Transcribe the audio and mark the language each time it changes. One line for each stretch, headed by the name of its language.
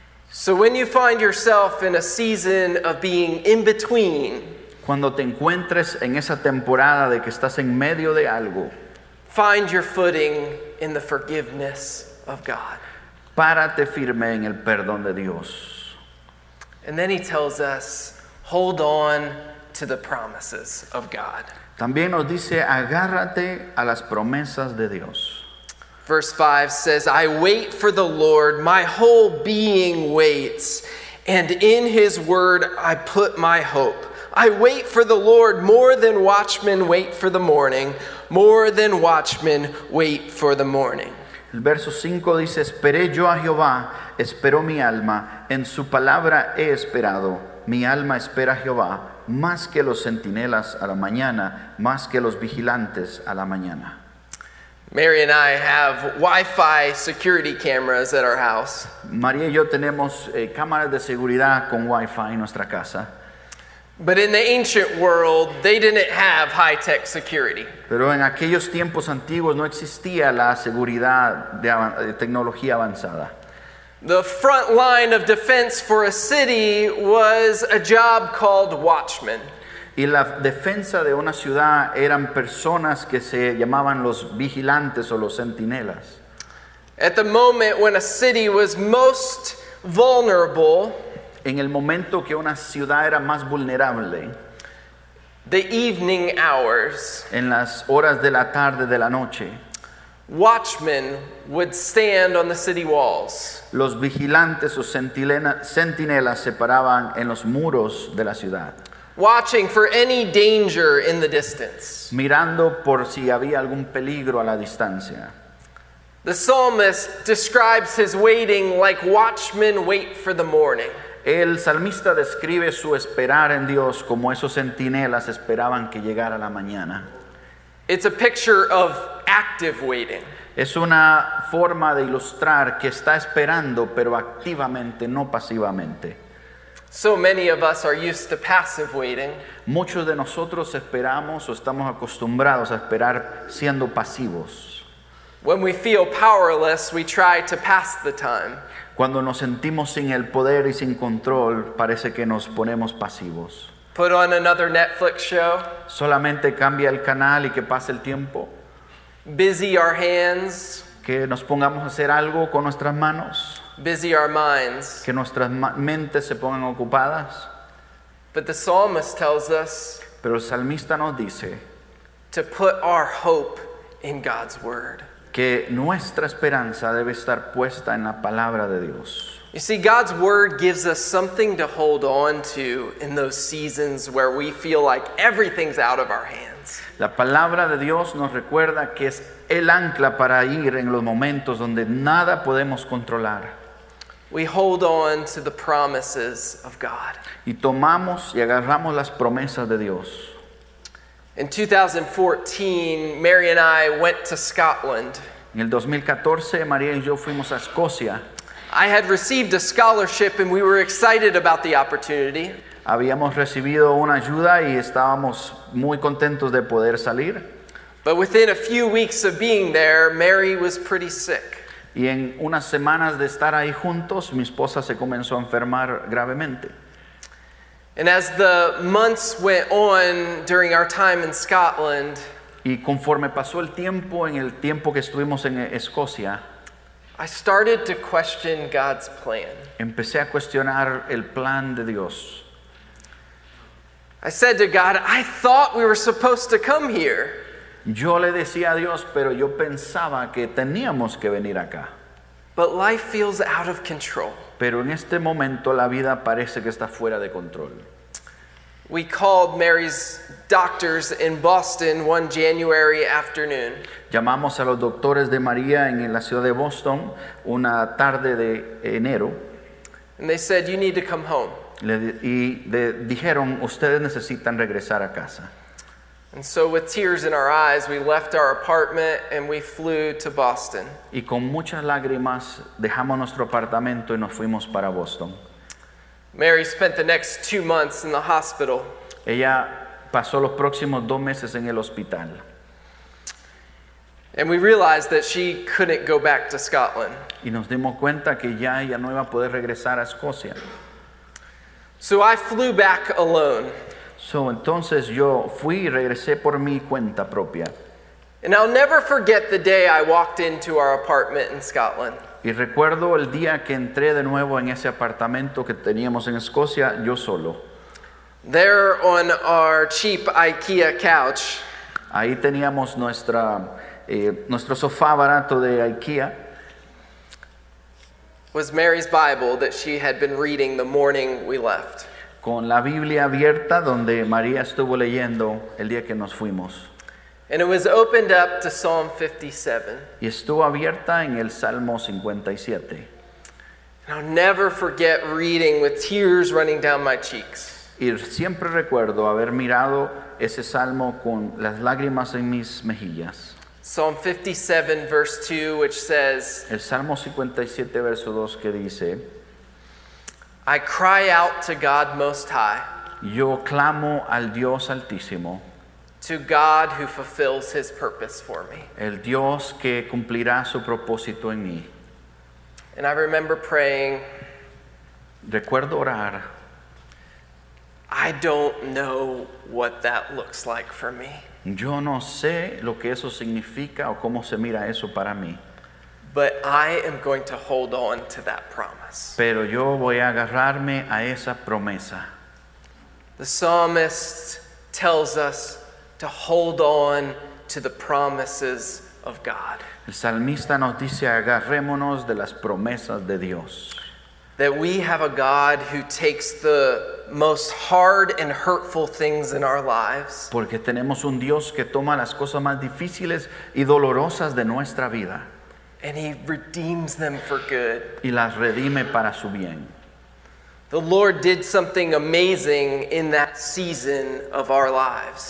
English: So when you find yourself in a season of being in between,
Spanish: cuando te encuentres en esa temporada de que estás en medio de algo,
English: find your footing in the forgiveness of God.
Spanish: Párate firme en el perdón de Dios.
English: And then he tells us, hold on to the promises of God.
Spanish: También nos dice, agárrate a las promesas de Dios.
English: Verse 5 says, I wait for the Lord, my whole being waits, and in his word I put my hope. I wait for the Lord more than watchmen wait for the morning, more than watchmen wait for the morning.
Spanish: El verso 5 dice, esperé yo a Jehová, esperó mi alma, en su palabra he esperado. Mi alma espera a Jehová más que los centinelas a la mañana, más que los vigilantes a la mañana.
English: Mary and I have Wi-Fi security cameras at our house.
Spanish: María y yo tenemos cámaras de seguridad con Wi-Fi en nuestra casa.
English: But in the ancient world, they didn't have high-tech security.
Spanish: Pero en aquellos tiempos antiguos no existía la seguridad de tecnología avanzada.
English: The front line of defense for a city was a job called watchman.
Spanish: Y la defensa de una ciudad eran personas que se llamaban los vigilantes o los centinelas.
English: At the moment when a city was most vulnerable,
Spanish: en el momento que una ciudad era más vulnerable,
English: the evening hours,
Spanish: en las horas de la tarde, de la noche,
English: Watchmen would stand on the city walls.
Spanish: Los vigilantes o centinelas se paraban en los muros de la ciudad.
English: Watching for any danger in the distance.
Spanish: Mirando por si había algún peligro a la distancia.
English: The psalmist describes his waiting like watchmen wait for the morning.
Spanish: El salmista describe su esperar en Dios como esos centinelas esperaban que llegara la mañana.
English: It's a picture of active waiting.
Spanish: Es una forma de ilustrar que está esperando, pero activamente, no pasivamente.
English: So many of us are used to passive waiting.
Spanish: Muchos de nosotros esperamos o estamos acostumbrados a esperar siendo pasivos.
English: When we feel powerless, we try to pass the time.
Spanish: Cuando nos sentimos sin el poder y sin control, parece que nos ponemos pasivos.
English: Put on another Netflix show.
Spanish: Solamente cambia el canal y que pase el tiempo.
English: Busy our hands.
Spanish: Que nos pongamos a hacer algo con nuestras manos.
English: Busy our minds.
Spanish: Que nuestras mentes se pongan ocupadas.
English: But the psalmist tells us.
Spanish: Pero el salmista nos dice.
English: To put our hope in God's word.
Spanish: Que nuestra esperanza debe estar puesta en la palabra de Dios.
English: You see, God's word gives us something to hold on to in those seasons where we feel like everything's out of our hands.
Spanish: La palabra de Dios nos recuerda que es el ancla para ir en los momentos donde nada podemos controlar.
English: We hold on to the promises of God.
Spanish: Y tomamos y agarramos las promesas de Dios.
English: In 2014, Mary and I went to Scotland.
Spanish: En el 2014, María y yo fuimos a Escocia.
English: I had received a scholarship and we were excited about the opportunity.
Spanish: Habíamos recibido una ayuda y estábamos muy contentos de poder salir.
English: But within a few weeks of being there, Mary was pretty sick.
Spanish: Y en unas semanas de estar ahí juntos, mi esposa se comenzó a enfermar gravemente.
English: And as the months went on during our time in Scotland,
Spanish: y conforme pasó el tiempo, en el tiempo que estuvimos en Escocia,
English: I started to question God's plan.
Spanish: Empecé a cuestionar el plan de Dios.
English: I said to God, I thought we were supposed to come here.
Spanish: Yo le decía a Dios, pero yo pensaba que teníamos que venir acá.
English: But life feels out of control.
Spanish: Pero en este momento la vida parece que está fuera de control.
English: We called Mary's doctors in Boston one January afternoon.
Spanish: Llamamos a los doctores de María en la ciudad de Boston una tarde de enero.
English: And they said, you need to come home.
Spanish: Dijeron, ustedes necesitan regresar a casa.
English: And so with tears in our eyes, we left our apartment and we flew to Boston.
Spanish: Y con muchas lágrimas dejamos nuestro apartamento y nos fuimos para Boston.
English: Mary spent the next 2 months in the hospital.
Spanish: Ella pasó los próximos 2 meses en el hospital.
English: And we realized that she couldn't go back to Scotland.
Spanish: Y nos dimos cuenta que ya ella no iba a poder regresar a Escocia.
English: So I flew back alone.
Spanish: So entonces yo fui y regresé por mi cuenta propia.
English: And I'll never forget the day I walked into our apartment in Scotland.
Spanish: Y recuerdo el día que entré de nuevo en ese apartamento que teníamos en Escocia, yo solo.
English: There on our cheap IKEA couch.
Spanish: Ahí teníamos nuestro sofá barato de IKEA.
English: Was Mary's Bible that she had been reading the morning we left.
Spanish: Con la Biblia abierta donde María estuvo leyendo el día que nos fuimos.
English: And it was opened up to Psalm 57.
Spanish: Y estuvo abierta en el Salmo 57.
English: And I'll never forget reading with tears running down my cheeks.
Spanish: Y siempre recuerdo haber mirado ese Salmo con las lágrimas en mis mejillas.
English: Psalm 57, verse 2, which says,
Spanish: el Salmo 57, verso 2, que dice,
English: I cry out to God Most High.
Spanish: Yo clamo al Dios Altísimo.
English: To God who fulfills his purpose for me.
Spanish: El Dios que cumplirá su propósito en mí.
English: And I remember praying.
Spanish: Recuerdo orar.
English: I don't know what that looks like for me.
Spanish: Yo no sé lo que eso significa o cómo se mira eso para mí.
English: But I am going to hold on to that promise.
Spanish: Pero yo voy a agarrarme a esa promesa.
English: The psalmist tells us to hold on to the promises of God.
Spanish: El salmista nos dice, agarrémonos de las promesas de Dios.
English: That we have a God who takes the most hard and hurtful things in our lives.
Spanish: Porque tenemos un Dios que toma las cosas más difíciles y dolorosas de nuestra vida.
English: And he redeems them for good.
Spanish: Y las redime para su bien.
English: The Lord did something amazing in that season of our lives.